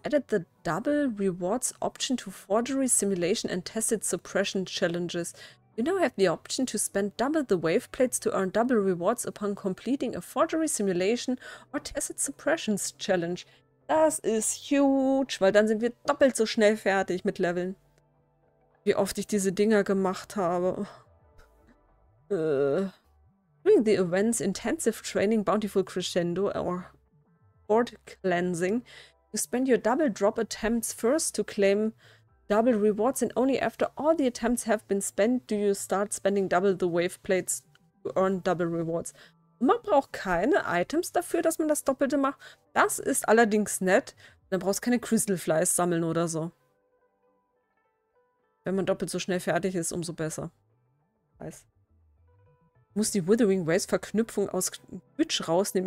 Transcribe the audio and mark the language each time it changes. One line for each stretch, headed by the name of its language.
English: Added the Double Rewards Option to Forgery Simulation and Tested Suppression Challenges. You now have the option to spend double the wave plates to earn double rewards upon completing a forgery simulation or tacit suppressions challenge.
German: Das ist huge, weil dann sind wir doppelt so schnell fertig mit Leveln. Wie oft ich diese Dinger gemacht habe.
English: During the events intensive training, bountiful crescendo or board cleansing, you spend your double drop attempts first to claim double rewards and only after all the attempts have been spent do you start spending double the wave plates to earn double rewards.
German: Man braucht keine Items dafür, dass man das Doppelte macht. Das ist allerdings nett. Dann brauchst du keine Crystal Flies sammeln oder so. Wenn man doppelt so schnell fertig ist, umso besser. Weiß. Muss die Withering Waves Verknüpfung aus Twitch rausnehmen.